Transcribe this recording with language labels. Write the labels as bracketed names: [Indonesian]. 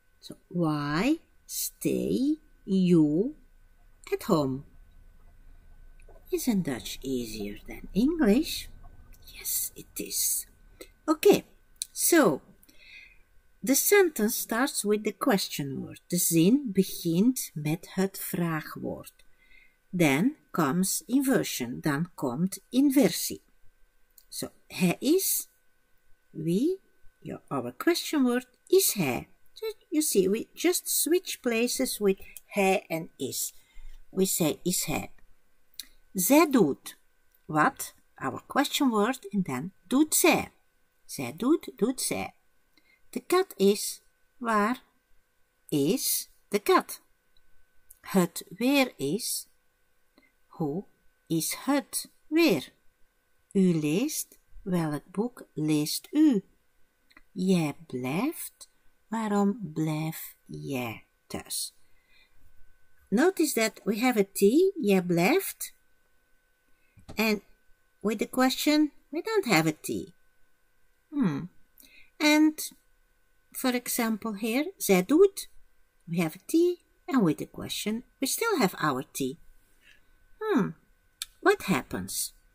[English] So why stay you at home? Isn't Dutch easier than English? Yes, it is. Okay, so the sentence starts with the question word. [Dutch] De zin begint met het vraagwoord. [English] Then comes inversion. [Dutch] Dan komt inversie. So, hij is, wie, [English] our question word, [Dutch] is hij. [English] So, you see, we just switch places with hij and is. We say [Dutch] is hij. Zij doet, [English] what, our question word, and then [Dutch] doet zij. Zij doet, doet zij. De kat is, waar is de kat? Het weer is, hoe is het weer? U leest, welk boek leest u? Jij blijft, waarom blijf jij thuis? [English] Notice that we have a T, [Dutch] jij blijft. [English] And with the question, we don't have a T. And for example here, [Dutch] zij doet, [English] we have a T, and with the question, we still have our T. What happens?